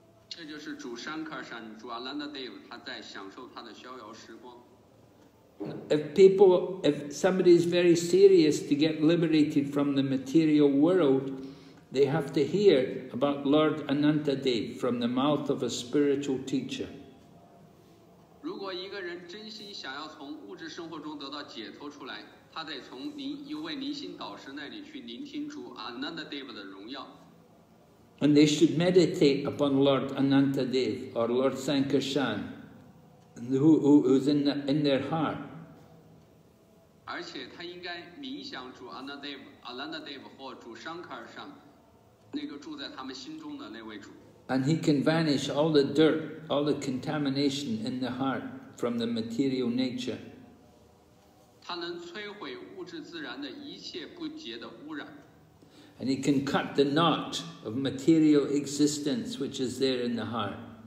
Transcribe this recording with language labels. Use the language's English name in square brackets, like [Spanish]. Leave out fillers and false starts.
[Chinese] 这就是主 Sankarshan, 主 Anantadeva, 他在享受他的逍遥时光。 [English] If somebody is very serious to get liberated from the material world, they have to hear about Lord Ananta Dev from the mouth of a spiritual teacher. [Chinese] 如果一个人真心想要从物质生活中得到解脱出来, 他得从您一位您心导师那里去聆听主Anandadeva的荣耀。 [English] And they should meditate upon Lord Ananta Dev or Lord Sankarshan, who's in their heart. [Chinese] 而且他应该冥想主Anandadeva或主Sankarshan那个住在他们心中的那位主。 [English] And he can vanish all the dirt, all the contamination in the heart from the material nature. [Chinese] 他能摧毁物质自然的一切不洁的污染。 [English] And he can cut the knot of material existence which is there in the heart.